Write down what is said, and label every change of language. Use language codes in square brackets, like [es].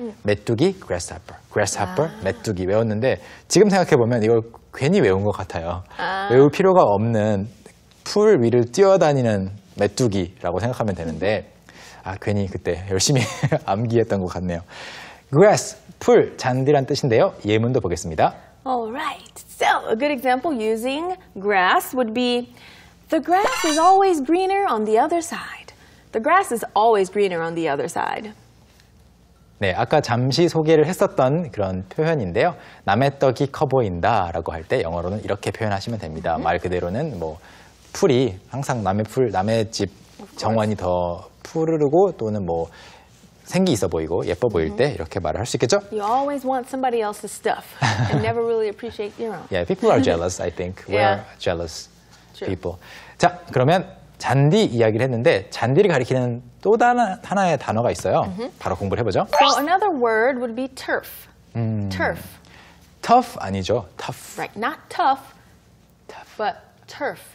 [ko] 메뚜기, grasshopper, grasshopper, 아. 메뚜기 외웠는데 지금 생각해보면 이걸 괜히 외운 것 같아요. 아. 외울 필요가 없는 풀 위를 뛰어다니는 메뚜기라고 생각하면 되는데 아 괜히 그때 열심히 암기했던 것 같네요. grass, 풀, 잔디란 뜻인데요. 예문도 보겠습니다. [en] Alright, so a good example using grass would be The grass is always greener on the other side. The grass is always greener on the other side. [ko] 네, 아까 잠시 소개를 했었던 그런 표현인데요. 남의 떡이 커 보인다라고 할 때 영어로는 이렇게 표현하시면 됩니다. Mm-hmm. 말 그대로는 뭐 풀이 항상 남의 풀, 남의 집 정원이 더 푸르르고 또는 뭐 생기 있어 보이고 예뻐 보일 mm-hmm. 때 이렇게 말을 할 수 있겠죠? [en] You always want somebody else's stuff and never really appreciate your own. Yeah, people are jealous, I think. Yeah. We're jealous. People. [ko] 자, 그러면 잔디 이야기를 했는데 잔디를 가리키는 또 하나의 단어가 있어요. Mm-hmm. 바로 공부를 해보죠. [en] So another word would be turf. Turf. [ko] Tough 아니죠. Tough. [en] Right. Not tough, but turf.